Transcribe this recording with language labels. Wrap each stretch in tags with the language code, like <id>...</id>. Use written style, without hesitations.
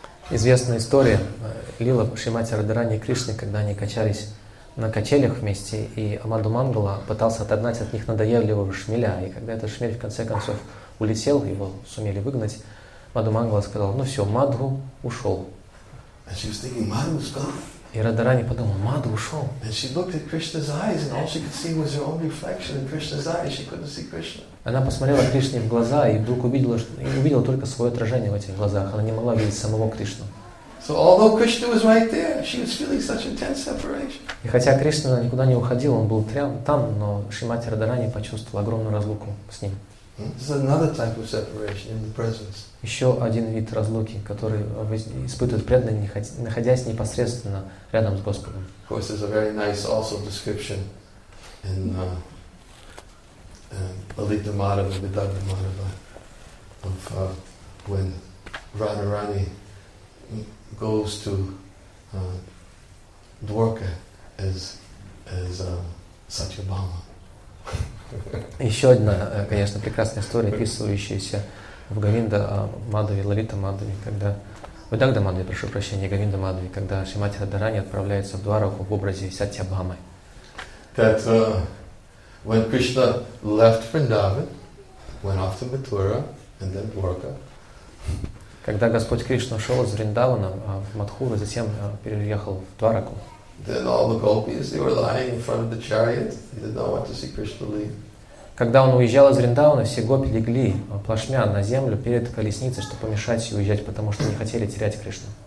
<ru>Известная история Лила Шримати Радхарани и Кришны, когда они качались на качелях вместе, и Мадху Мангала пытался отогнать от них надоедливого шмеля. И когда этот шмель в конце концов улетел, его сумели выгнать, Мадху Мангала сказал, ну все, Мадху ушел.</ru> <en>And she was thinking, Madhu was gone.</en> <ru>И Радхарани подумал, Мадху ушел.</ru> <en>And she looked at Krishna's eyes, and all she could see was her own reflection in Krishna's eyes. She couldn't see Krishna.</en> <ru>Она посмотрела Кришне в глаза и вдруг увидела только свое отражение в этих глазах. Она не могла видеть самого Кришну.</ru> <en>So although Krishna was right there, she was feeling such intense separation.</en> <ru>И хотя Кришна никуда не уходил, он был там, но Шримати Радхарани почувствовала огромную разлуку с ним.</ru> <en>This is another type of separation in the presence.</en> <ru>Еще один вид разлуки, который испытывает преданный, находясь непосредственно рядом с Господом.</ru> <en>Of course, there's a very nice also description in Lalita Madhava, Vidarbha Madhava, of when Radharani goes to Dwarka as Satyabhama.</en> <ru>Еще одна, конечно, прекрасная история, описывающаяся в Говинда Мадхаве, Лалита Мадхаве, когда Вайдагда Мадхаве, прошу прощения, Говинда Мадхаве, когда Шримати Радхарани отправляется в Дварху в образе Сатьябхамы.</ru> <en>That when Krishna left Vrindavan, went off to Mathura and then Dwarka,</en> <ru>Когда Господь Кришна ушел из Вриндавана в Матхуру, затем переехал в Двараку.</ru> <en>Then all the gopis, they were lying in front of the chariot. They did not want to see Krishna leave.</en> <ru>Когда он уезжал из Вриндавана, все гопи легли плашмя на землю перед колесницей, чтобы помешать ей уезжать, потому что не хотели терять Кришну.</ru>